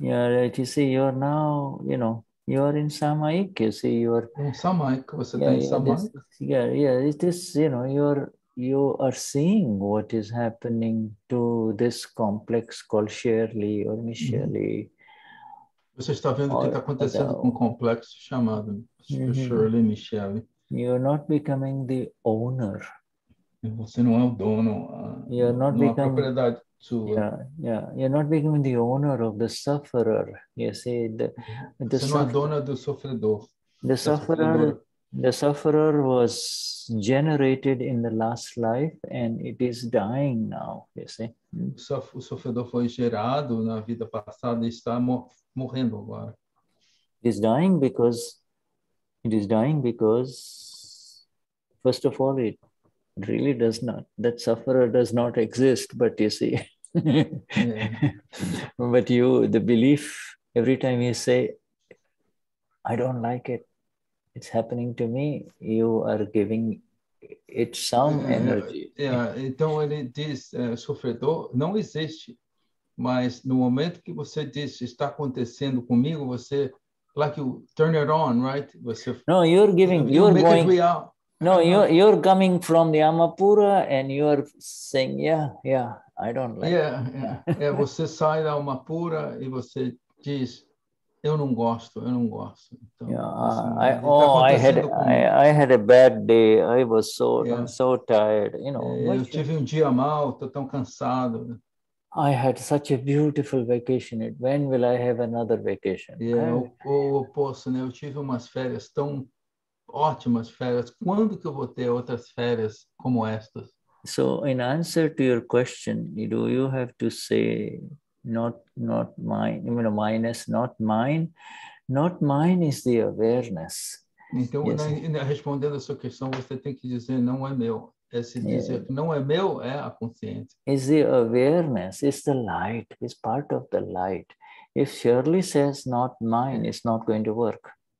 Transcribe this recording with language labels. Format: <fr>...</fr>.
<en>Yeah, right. You see, you are now, you know, you are in samaik, you see, you are...</en> <pt>In samaik, você está em samaik.</pt> <en>Yeah, it is, you know, you are seeing what is happening to this complex called Shirley or Miss Shirley.</en> <pt>Você está vendo o que está acontecendo com o complexo chamado Shirley, Miss Shirley.</pt> <en>You are not becoming the owner.</en> <pt>Você não é o dono, não é a propriedade.</pt> <en>You're not becoming the owner of the sufferer. You see, the</en> <pt>você não é dona do sofredor.</pt> <en>The sufferer was generated in the last life and it is dying now, you see.</en> <pt>O sofredor foi gerado na vida passada e está morrendo agora.</pt> <en>It is dying because, first of all, it really does not, that sufferer does not exist, but you see. Yeah. But you, the belief, every time you say, I don't like it, it's happening to me, you are giving it some energy.</en> <pt>Yeah. Então ele diz, sofredor não existe, mas no momento que você diz, está acontecendo comigo, você,</pt> <en>like you turn it on, right?</en> <pt>Você,</pt> <en>no, you're giving, you're going... No, you're coming from the Amapura and you are saying, yeah, I don't like. Yeah.</en> <pt>É, você sai da Amapura e você diz, eu não gosto. Então,</pt> <en>I had a bad day. I was so tired. You know.</en> <pt>Eu tive um dia mal. Tô tão cansado.</pt> <en>I had such a beautiful vacation. When will I have another vacation? Yeah.</en> <pt>Ou oposto, né? Eu tive umas férias tão ótimas férias. Quando que eu vou ter outras férias como estas?</pt> <en>So, in answer to your question, do you have to say not mine, you know, mine is not mine. Not mine is the awareness.</en> <pt>Então, yes. Na, respondendo a sua questão, você tem que dizer, não é meu. É se dizer, yeah. Não é meu, é a consciência.</pt> <en>It's the awareness, it's the light, it's part of the light. If Shirley says, not mine, it's not going to work.</en>